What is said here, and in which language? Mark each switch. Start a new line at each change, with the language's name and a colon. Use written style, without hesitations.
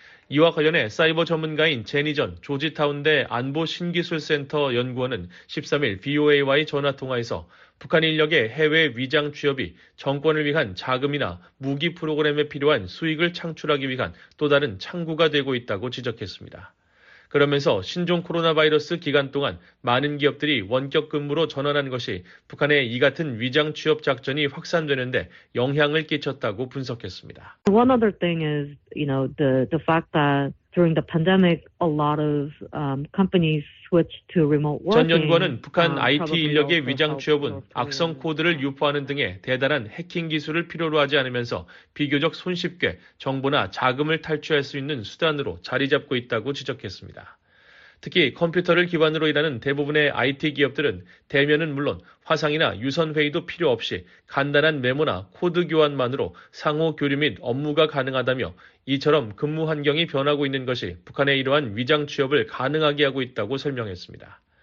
Korean: 이와 관련해 사이버 전문가인 제니전 조지타운대 안보신기술센터 연구원은 13일 VOA와의 전화통화에서 북한 인력의 해외 위장 취업이 정권을 위한 자금이나 무기 프로그램에 필요한 수익을 창출하기 위한 또 다른 창구가 되고 있다고 지적했습니다. 그러면서 신종 코로나 바이러스 기간 동안 많은 기업들이 원격 근무로 전환한 것이 북한의 이 같은 위장 취업 작전이 확산되는데 영향을 끼쳤다고 분석했습니다.
English: One other thing is, you know, the fact that During the pandemic, a lot of companies switched to remote working.
Korean: 전 연구원은 북한 IT 인력의 위장 취업은 악성 코드를 유포하는 등의 대단한 해킹 기술을 필요로 하지 않으면서 비교적 손쉽게 정보나 자금을 탈취할 수 있는 수단으로 자리 잡고 있다고 지적했습니다. 특히 컴퓨터를 기반으로 일하는 대부분의 IT 기업들은 대면은 물론 화상이나 유선 회의도 필요 없이 간단한 메모나 코드 교환만으로 상호 교류 및 업무가 가능하다며 이처럼 근무 환경이 변하고 있는 것이 북한의 이러한 위장 취업을 가능하게 하고 있다고 설명했습니다.